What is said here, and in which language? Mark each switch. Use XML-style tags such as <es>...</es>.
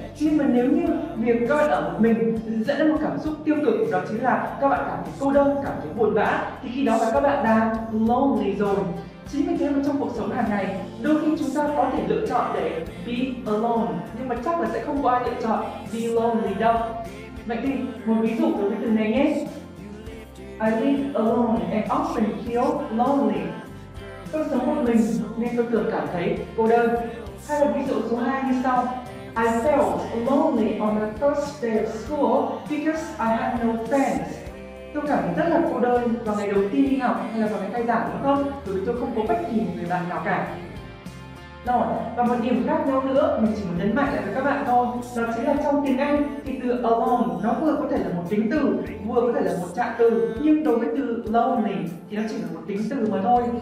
<vi>Nhưng mà nếu như việc các bạn ở một mình dẫn đến một cảm xúc tiêu cực, đó chính là các bạn cảm thấy cô đơn, cảm thấy buồn bã, thì khi đó là các bạn đang lonely rồi. Chính vì thế mà trong cuộc sống hàng ngày, đôi khi chúng ta có thể lựa chọn để be alone, nhưng mà chắc là sẽ không có ai lựa chọn be lonely đâu. Vậy thì một ví dụ đối với từ này nhé.</vi> <en>I live alone and often feel lonely.</en> <vi>Tôi sống một mình nên tôi thường cảm thấy cô đơn. Hay là ví dụ số 2 như sau.</vi> <en>I felt lonely on the first day of school because I had no friends.</en> <vi>Tôi cảm thấy rất là cô đơn vào ngày đầu tiên đi học hay là vào ngày khai giảng, đúng không? Bởi vì tôi không có bất kỳ một người bạn nào cả. Rồi, và một điểm khác nhau nữa mình chỉ muốn nhấn mạnh lại với các bạn thôi, đó chính là trong tiếng Anh thì từ alone nó vừa có thể là một tính từ, vừa có thể là một trạng từ, nhưng đối với từ lonely thì nó chỉ là một tính từ mà thôi.</vi>